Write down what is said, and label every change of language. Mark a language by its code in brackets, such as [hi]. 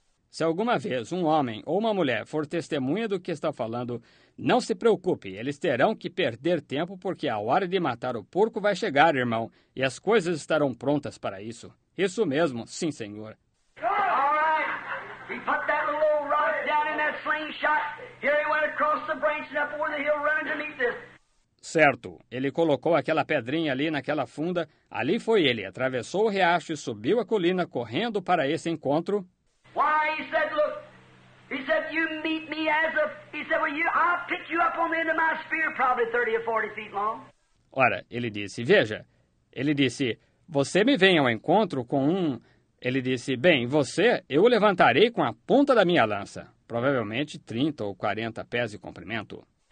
[pt] Se alguma vez um homem ou uma mulher for testemunha do que está falando, não se preocupe, eles terão que perder tempo porque a hora de matar o porco vai chegar, irmão, e as coisas estarão prontas para isso. Isso mesmo, sim, senhor. [en] All right. He put that little old rock down in that slingshot. Here he went across the branch and up over the hill running to meet this. [pt] Certo, ele colocou aquela pedrinha ali naquela funda. Ali foi ele, atravessou o riacho e subiu a colina correndo para esse encontro. [en] Why, he said, look, he said, you meet me as a, he said, well, you, I'll pick you up on the end of my spear, probably 30 or 40 feet long. [pt] Ora, ele disse, veja, ele disse, você me vem ao encontro com um, ele disse, bem, você, eu o levantarei com a ponta da minha lança. provavelmente 30 ou 40 pés de comprimento.